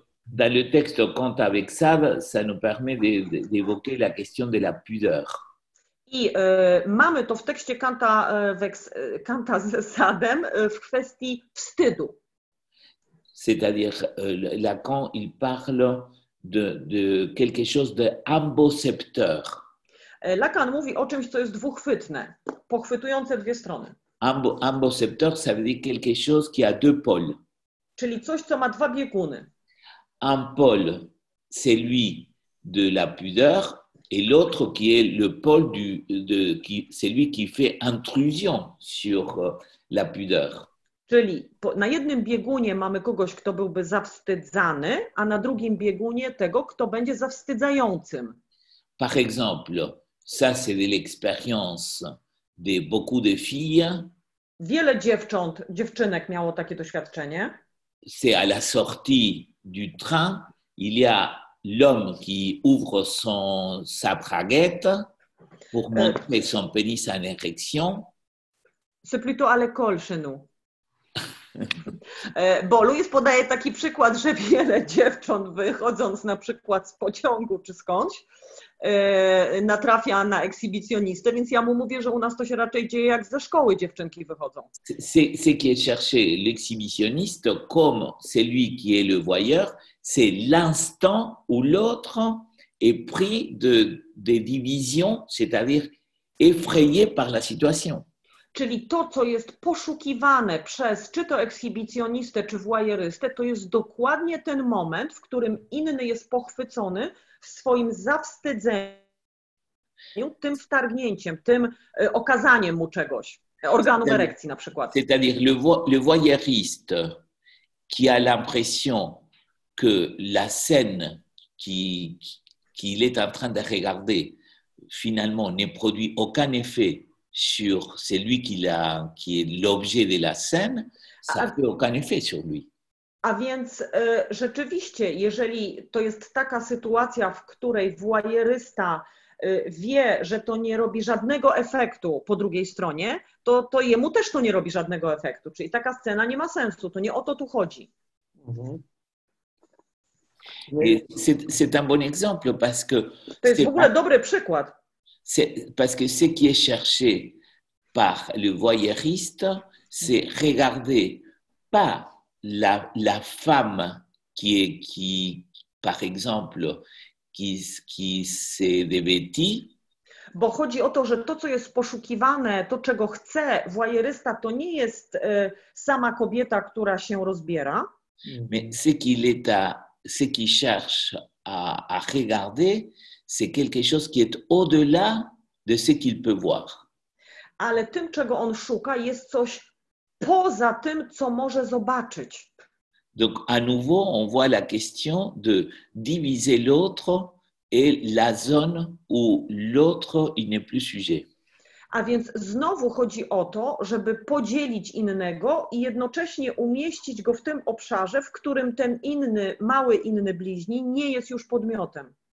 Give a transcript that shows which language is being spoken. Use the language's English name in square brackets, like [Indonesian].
[French] Dans le texte, quand avec ça, ça nous permet d'évoquer la question de la pudeur. [Polish] I mamy to w tekście Kanta, Kanta z Sadem w kwestii wstydu. [French] C'est-à-dire Lacan il parle de quelque chose de ambocepteur. [Polish] Lacan mówi o czymś, co jest dwuchwytne, pochwytujące dwie strony. [French] Ambocepteur, ça veut dire quelque chose qui a deux pôles. [Polish] Czyli coś, co ma dwa bieguny. [French] Un pôle, c'est lui de la pudeur. Et l'autre qui est le pôle du de qui c'est lui qui fait intrusion sur la pudeur. [Polish] Czyli na jednym biegunie mamy kogoś, kto byłby zawstydzany, a na drugim biegunie tego, kto będzie zawstydzającym. [French] Par exemple, ça c'est de l'expérience de beaucoup de filles. [Polish] Wiele dziewcząt, dziewczynek miało takie doświadczenie. [French] C'est à la sortie du train, il y a l'homme qui ouvre son sa braguette pour montrer son pénis en érection. C'est plutôt à l'école chez nous. [Polish] Bo Louis podaje taki przykład, że wiele dziewcząt wychodząc na przykład z pociągu czy skądś natrafia na ekshibicjonistę, więc ja mu mówię, że u nas to się raczej dzieje jak ze szkoły dziewczynki wychodzą. [French] Ce qui est cherché l'exhibitionniste comme celui qui est le voyeur, c'est l'instant où l'autre est pris de division, c'est-à-dire effrayé par la situation. [Polish] Czyli to, co jest poszukiwane przez czy to ekshibicjonistę, czy voyeurystę, to jest dokładnie ten moment, w którym inny jest pochwycony w swoim zawstydzeniu, tym wtargnięciem, tym okazaniem mu czegoś, organu erekcji na przykład. [French] C'est-à-dire le voyeuriste qui a l'impression que la scène qu'il est en train de regarder finalement ne produit aucun effet sur celui qui est l'objet de la scène, ça n'a aucun effet sur lui. [Polish] A więc rzeczywiście, jeżeli to jest taka sytuacja, w której voyeurysta wie, że to nie robi żadnego efektu po drugiej stronie, to jemu też to nie robi żadnego efektu. Czyli taka scena nie ma sensu, to nie o to tu chodzi. Mm-hmm. [French] C'est un bon exemple parce que [Polish] to jest w ogóle dobry przykład. [French] C'est parce que ce qui est cherché par le voyeuriste, c'est regarder pas la femme qui par exemple qui s'est dévêtie. [Polish] Bo chodzi o to, że to, co jest poszukiwane, to czego chce voyeurysta, to nie jest sama kobieta, która się rozbiera. [French] Mais ce qu'il cherche à regarder, c'est quelque chose qui est au-delà de ce qu'il peut voir. [Polish] Ale tym, czego on szuka, jest coś poza tym, co może zobaczyć. [French] Donc, à nouveau, on voit la question de diviser l'autre et la zone où l'autre il n'est plus sujet. [Polish] A więc znowu chodzi o to, żeby podzielić innego i jednocześnie umieścić go w tym obszarze, w którym ten inny, mały inny bliźni nie jest już podmiotem.